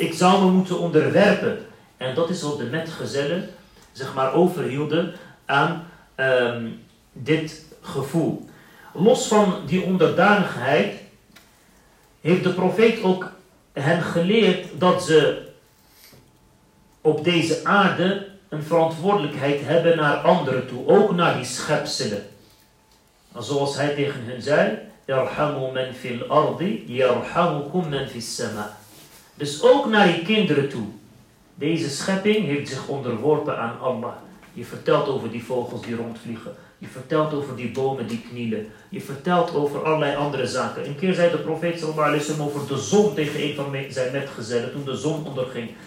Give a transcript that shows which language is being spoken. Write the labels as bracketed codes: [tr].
[nl] Ik zou me moeten onderwerpen. En dat is wat de metgezellen, zeg maar, overhielden aan dit gevoel. Los van die onderdanigheid, heeft de profeet ook hen geleerd dat ze op deze aarde een verantwoordelijkheid hebben naar anderen toe, ook naar die schepselen. Zoals hij tegen hen zei, [ar] يَرْحَمُوا مَنْ فِي الْأَرْضِ يَرْحَمُكُمْ مَنْ فِي السَّمَاءِ. [nl] Dus ook naar je kinderen toe. Deze schepping heeft zich onderworpen aan Allah. Je vertelt over die vogels die rondvliegen. Je vertelt over die bomen die knielen. Je vertelt over allerlei andere zaken. Een keer zei de profeet sallallahu alaihi wasallam over de zon tegen een van zijn metgezellen toen de zon onderging.